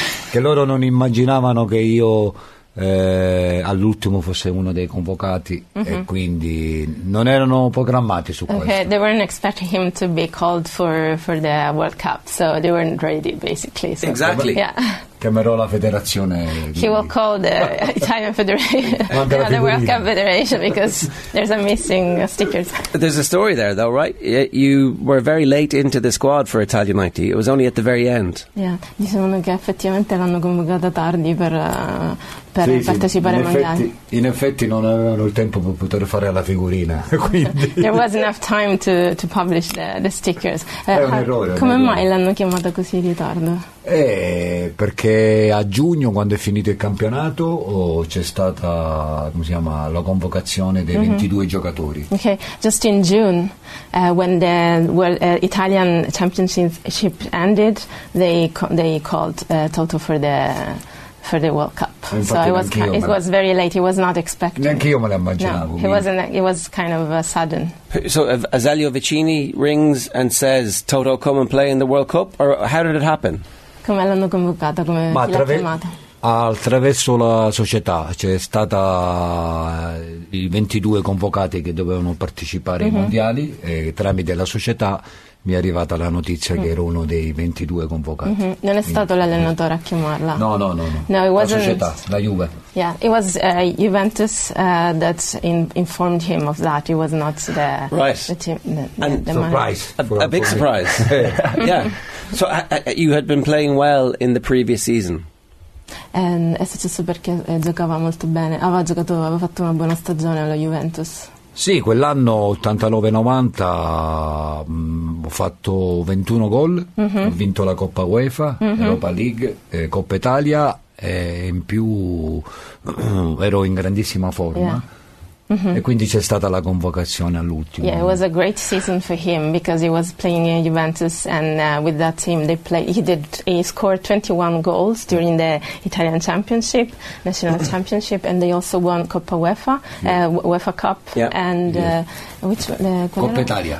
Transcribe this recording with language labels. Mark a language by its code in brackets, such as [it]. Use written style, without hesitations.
[it] Che loro non immaginavano che io all'ultimo fosse uno dei convocati, mm-hmm. e quindi non erano programmati su questo. [en] They weren't expecting him to be called for the World Cup, so they weren't ready, basically. So. Exactly. Yeah. [it] Chiamerò la federazione. [en] He will call the Italian Federation, the [it] figurina. [en] World Cup Federation, because there's a missing sticker. There's a story there, though, right? You were very late into the squad for Italia 90. It was only at the very end. [it] Yeah, dicevano che effettivamente l'hanno convocata tardi per sì, partecipare ai mondiali. In effetti, non avevano il tempo per poter fare la figurina. [en] There was enough time to publish the stickers. [it] È un errore. Come mai l'hanno chiamata così in ritardo? Perché a giugno, quando è finito il campionato, c'è stata la convocazione dei 22 mm-hmm. giocatori. [en] Okay, just in June, when the Italian championship ended, they called Toto for the World Cup. [it] Infatti, so [en] it was very late. He was not expected. [it] Neanche io me l'immaginavo. [en] No, it was kind of sudden. So Azzelio Vicini rings and says, "Toto, come and play in the World Cup." Or how did it happen? [it] Come l'hanno convocata, come l'ha chiamata? Attraverso la società, c'è stata i 22 convocati che dovevano partecipare mm-hmm. ai mondiali, e tramite la società mi è arrivata la notizia mm-hmm. che ero uno dei 22 convocati. Mm-hmm. Non è stato l'allenatore a chiamarla? [en] No, it wasn't [it] la società, la Juve. [en] Yeah, it was Juventus that informed him of that. It was not the right. The team, the surprise. A big surprise. Yeah. So you had been playing well in the previous season. [it] È successo perché giocava molto bene. Aveva giocato, aveva fatto una buona stagione alla Juventus. Sì, quell'anno 89-90 ho fatto 21 gol, ho vinto la Coppa UEFA, Europa League, Coppa Italia. E in più ero in grandissima forma e quindi c'è stata la convocazione all'ultimo. [en] Yeah, it was a great season for him because he was playing in Juventus and with that team they played. He scored 21 goals during the Italian Championship, National Championship, and they also won Coppa UEFA, UEFA Cup, and which [it] Coppa Italia.